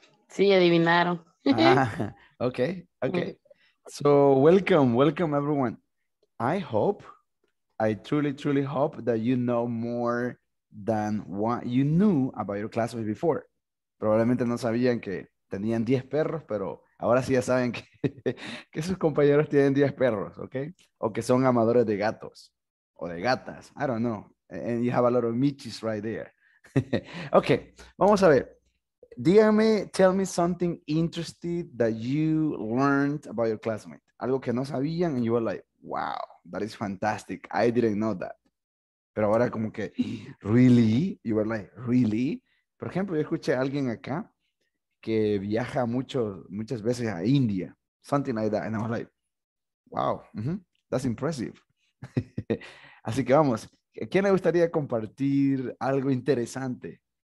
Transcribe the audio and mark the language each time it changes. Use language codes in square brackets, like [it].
[es] Sí, adivinaron. [en] Ah, okay, okay. So, welcome, welcome everyone. I hope, I truly, truly hope that you know more than what you knew about your classmates before. [es] Probablemente no sabían que tenían 10 perros, pero ahora sí ya saben que sus compañeros tienen 10 perros, okay? O que son amadores de gatos o de gatas. [en] I don't know. And you have a lot of michis right there. Okay, [es] vamos a ver. Dígame, [en] tell me something interesting that you learned about your classmate. [es] Algo que no sabían [en] and you were like, wow, that is fantastic. I didn't know that. [es] Pero ahora como que, [en] really? You were like, really? [es] Por ejemplo, yo escuché a alguien acá que viaja muchas veces a India. [en] Something like that. And I was like, wow, that's impressive. [es] Así que vamos, ¿a quién le gustaría compartir algo interesante?